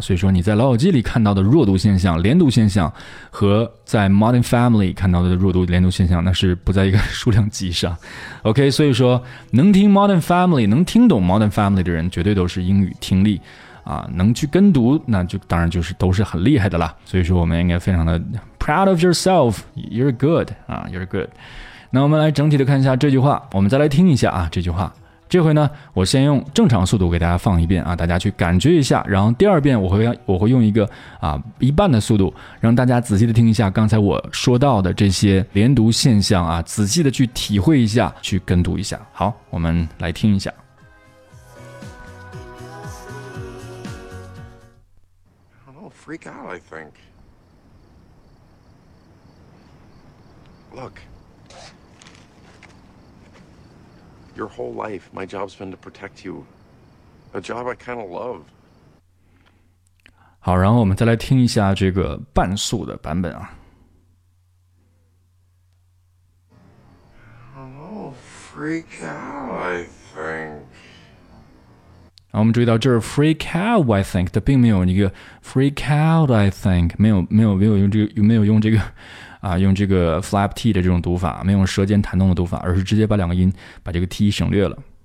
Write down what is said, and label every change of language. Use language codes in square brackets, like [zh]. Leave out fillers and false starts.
[zh] 所以说你在老友记里看到的弱读现象、连读现象和在 Modern Family 看到的弱读连读现象，那是不在一个数量级上。 OK， 所以说能听 Modern Family、 能听懂 Modern Family 的人绝对都是英语听力能去跟读，那就当然就是都是很厉害的啦。所以说我们应该非常的 [en] proud of yourself， you're good [zh] you're good。那我们来整体的看一下这句话，我们再来听一下这句话。这回呢我先用正常速度给大家放一遍大家去感觉一下，然后第二遍我会用一个一半的速度让大家仔细的听一下刚才我说到的这些连读现象仔细的去体会一下，去跟读一下。好，我们来听一下。 [en] Freak out, I think. Look. Your whole life, my job's been to protect you. A job I kind of love. [zh] 好，然后我们再来听一下这个半速的版本 [en] Freak out, I think. [zh] 啊、我们注意到这是 [en] freak out I think， [zh] 它并没有一个 freak out I think， 没有用这个用这个 flap t 的这种读法，没有舌尖弹动的读法，而是直接把两个音把这个 t 省略了。